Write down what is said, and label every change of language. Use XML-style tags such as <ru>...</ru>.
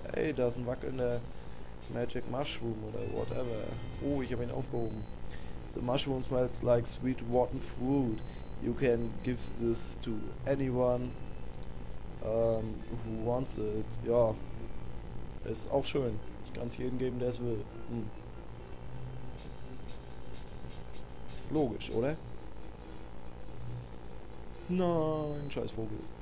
<de>ey, da ist ein wackelnder Magic Mushroom oder</de> <en>whatever.</en> <de>Oh, ich habe ihn aufgehoben.</de> <en>The mushroom smells like sweet rotten fruit. You can give this to anyone who wants it.</en> <de>Ja, ist auch schön. Ich kann es jedem geben, der es will. Hm. Ist logisch, oder? Nein, scheiß Vogel.</de>